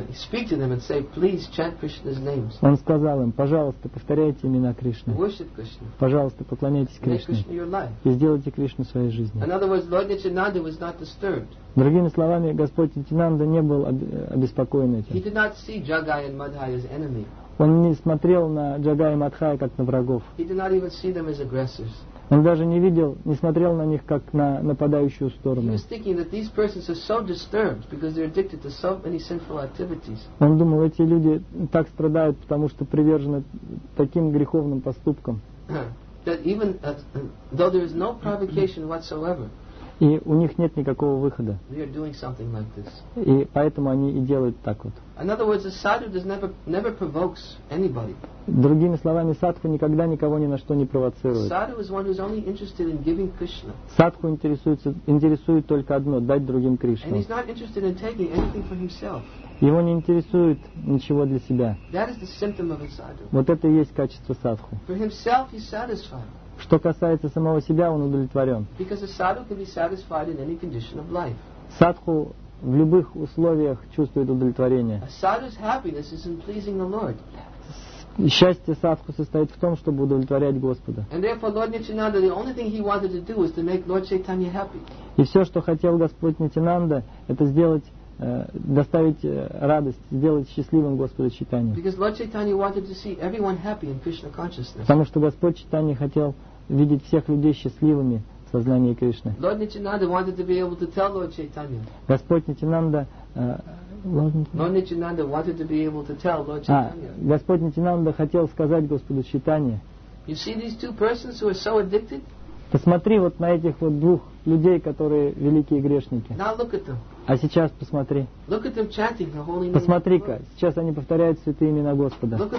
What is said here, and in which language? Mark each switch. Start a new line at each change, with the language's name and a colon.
English: Speak to them and say, please chant Krishna's names.
Russian: Он сказал им: пожалуйста, повторяйте имена Кришны.
English: Worship Krishna.
Russian: Пожалуйста, поклоняйтесь Кришне.
English: Make Krishna your life.
Russian: И сделайте Кришну своей жизнью.
English: In other words, Lord Nityananda was not disturbed.
Russian: Другими словами, Господь Нитинанда не был обеспокоен этим.
English: He did not see Jagai and Madhai as enemy.
Russian: Он не смотрел на Джагай и Мадхай как на врагов.
English: He did not even see them as aggressors.
Russian: Он даже не видел, не смотрел на них как на нападающую сторону.
English: He was thinking that these persons are so disturbed because they're addicted to so many sinful activities.
Russian: Он думал, эти люди так страдают, потому что привержены таким греховным поступкам.
English: That even though there is no provocation whatsoever.
Russian: И у них нет никакого выхода.
English: They are doing something like this.
Russian: И поэтому они и делают так вот.
English: In other words, a sadhu does never provokes anybody.
Russian: Другими словами, садху никогда никого ни на что не провоцирует.
English: Sadhu is one who is only interested in giving Krishna.
Russian: Садху интересует только одно: дать другим Кришну.
English: And he's not interested in taking anything for himself.
Russian: Его не интересует ничего для себя.
English: That is the symptom of a sadhu.
Russian: Вот это и есть качество садху.
English: For himself, he's satisfied.
Russian: Что касается самого себя, он удовлетворен.
English: Because a sadhu can be satisfied in any condition of life.
Russian: Садху в любых условиях чувствует удовлетворение.
English: A sadhu's happiness is in pleasing the Lord.
Russian: Счастье садху состоит в том, чтобы удовлетворять Господа.
English: And therefore, Lord Nityananda, the only thing he wanted to do was to make Lord Chaitanya happy.
Russian: И все, что хотел Господь Нитинанда, это сделать, доставить радость, сделать счастливым Господа Чайтанью.
English: Because Lord Chaitanya wanted to see everyone happy in Krishna consciousness.
Russian: Потому что Господь Чайтанья хотел видеть всех людей счастливыми в сознании Кришны.
English: Lord Nityananda wanted to be able to tell Lord Chaitanya.
Russian: Господь Нитинанда Господь Нитинанда хотел сказать Господу Чайтанье.
English: You see these two persons who are so addicted?
Russian: Посмотри вот на этих вот двух людей, которые великие грешники. А сейчас посмотри. Посмотри-ка, сейчас они повторяют святые имена Господа.